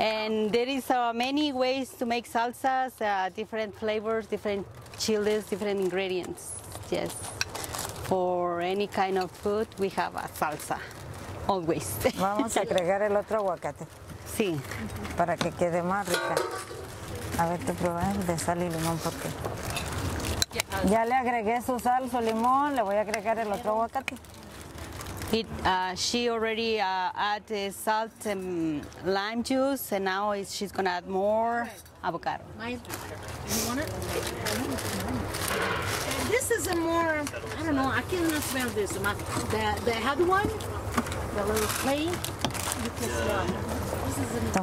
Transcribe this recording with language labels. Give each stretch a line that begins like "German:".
English: And there is many ways to make salsas, different flavors, different chilies, different ingredients. Yes, for any kind of food, we have a salsa, always.
Spanish: Vamos a agregar el otro aguacate. Sí. Para que quede más rica. A ver, te probé el de sal y limón porque... Ya le agregué su sal, su limón, le voy a agregar el otro aguacate.
English: She already added salt and lime juice, and now she's gonna add more avocado. Mine's better. You want it? This is a more, I don't know, I cannot smell this. The head one, the little plate, you can smell. This is a